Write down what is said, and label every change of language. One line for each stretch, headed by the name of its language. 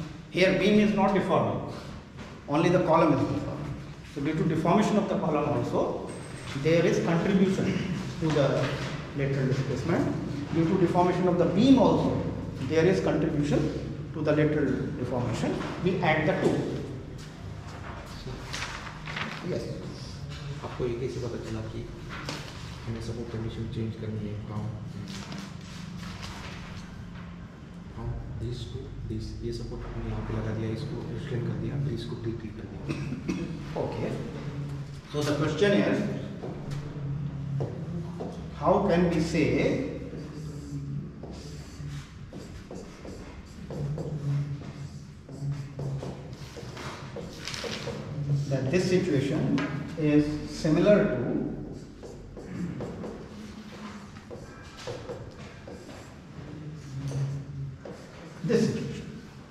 English: Here beam is not deforming, only the column is deforming. So due to deformation of the column also, there is contribution to the lateral displacement. Due to deformation of the beam also, there is contribution to the lateral deformation. We add the two. Yes.
Hindi: आपको ये कैसे पता चला कि हमें support condition change करनी है from this to this, ये support हमने यहाँ पे लगा दिया, इसको strain कर दिया, फिर इसको tilt कर दिया.
English: Okay, so the question is, how can we say that this situation is similar to this situation?